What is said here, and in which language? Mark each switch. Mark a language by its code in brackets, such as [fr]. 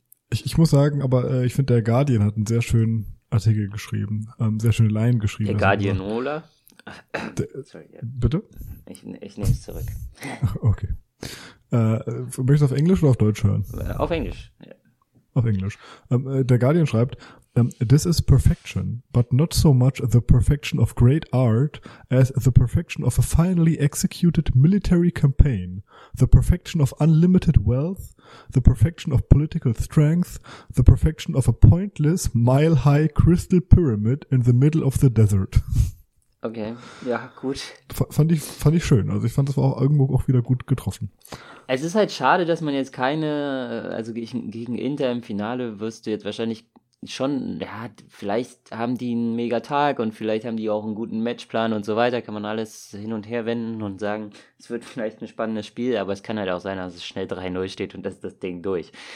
[de] Ich muss sagen, aber ich finde, der Guardian hat einen sehr schönen Artikel geschrieben, sehr schöne Line geschrieben. Der Guardian, gesagt. Ola? Bitte? Ich nehme es zurück. Okay. Möchtest du auf Englisch oder auf Deutsch hören? Auf Englisch. Ja. Auf Englisch. Der Guardian schreibt, [en] this is perfection, but not so much the perfection of great art as the perfection of a finally executed military campaign, the perfection of unlimited wealth, the perfection of political strength, the perfection of a pointless mile-high crystal pyramid in the middle of the desert. [de] Okay, ja, gut. Fand ich schön. Also ich fand, das war auch irgendwo auch wieder gut getroffen. Es ist halt schade, dass man jetzt keine, also gegen Inter im Finale wirst du jetzt wahrscheinlich schon, ja, vielleicht haben die einen Megatag und vielleicht haben die auch einen guten Matchplan und so weiter, kann man alles hin und her wenden und sagen, es wird vielleicht ein spannendes Spiel, aber es kann halt auch sein, dass es schnell 3-0 steht und das ist das Ding durch.